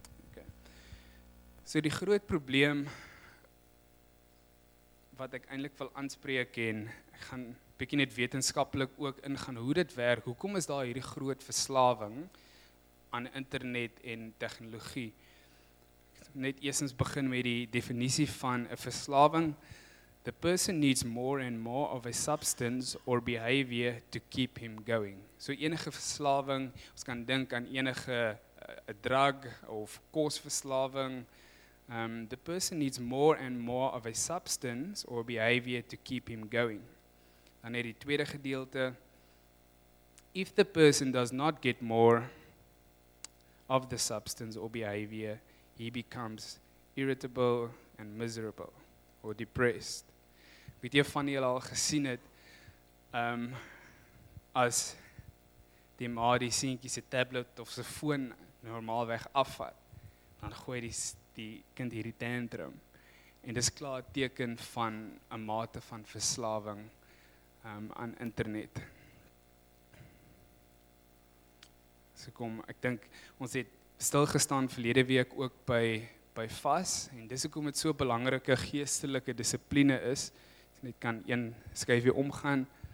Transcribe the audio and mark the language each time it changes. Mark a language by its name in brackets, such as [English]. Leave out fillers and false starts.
[Afrikaans] Okay. So die groot probleem wat ek eintlik wil aanspreek en ek gaan bietjie net wetenskaplik ook ingaan hoe dit werk. Hoekom is daar hierdie groot verslawing aan internet en tegnologie? Net eersens begin met die definisie van 'n verslawing. [English] The person needs more and more of a substance or behavior to keep him going. [Afrikaans] So enige verslawing, ons kan dink aan enige drug of kosverslawing. [English] The person needs more and more of a substance or behavior to keep him going. [Afrikaans] Dan het die tweede gedeelte. [English] If the person does not get more of the substance or behavior, he becomes irritable and miserable or depressed. [Afrikaans] Weet jy van julle al gesien het, as die ma die seentjie se tablet of se foon normaalweg afvat, dan gooi die kind hierdie tantrum. En dis klaar teken van 'n mate van verslawing aan internet. So kom, ek dink ons het stilgestaan verlede week ook by vas, en dis hoekom dit so 'n belangrike geestelike dissipline is. Net kan een skyfie omgaan.